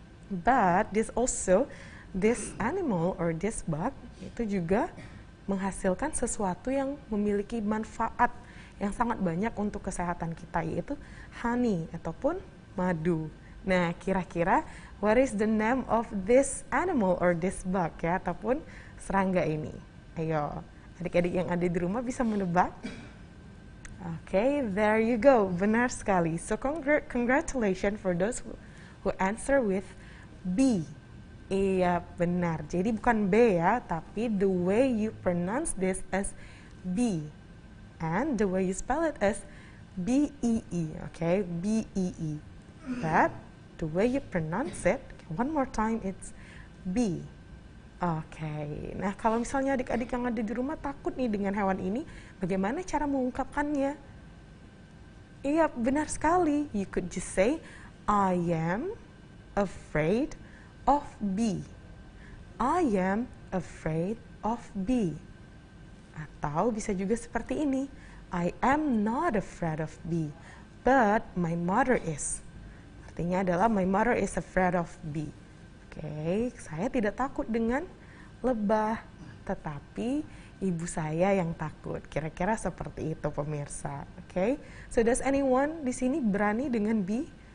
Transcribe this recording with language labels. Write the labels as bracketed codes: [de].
[en] But this also, this animal or this bug [id] itu juga menghasilkan sesuatu yang memiliki manfaat yang sangat banyak untuk kesehatan kita, yaitu honey ataupun madu. [en] Nah, kira-kira what is the name of this animal or this bug ya, [id] ataupun serangga ini? Ayo, adik-adik yang ada di rumah bisa menebak? [en] Okay, there you go. [id] Benar sekali. [en] So congratulations for those who answer with B. [id] Iya, benar. Jadi bukan B ya, tapi [en] the way you pronounce this as B. And the way you spell it as B-E-E. Okay, B-E-E. But the way you pronounce it, one more time, it's B. Okay. [id] Nah, kalau misalnya adik-adik yang ada di rumah takut nih dengan hewan ini, bagaimana cara mengungkapkannya? Iya, benar sekali. [en] You could just say, I am afraid of bee. I am afraid of bee. [id] Atau bisa juga seperti ini. [en] I am not afraid of bee, but my mother is. [id] Artinya adalah [en] my mother is afraid of bee. [id] Okay, saya tidak takut dengan lebah, tetapi ibu saya yang takut. Kira-kira seperti itu pemirsa. Okay, [en] so does anyone [id] di sini berani dengan bee?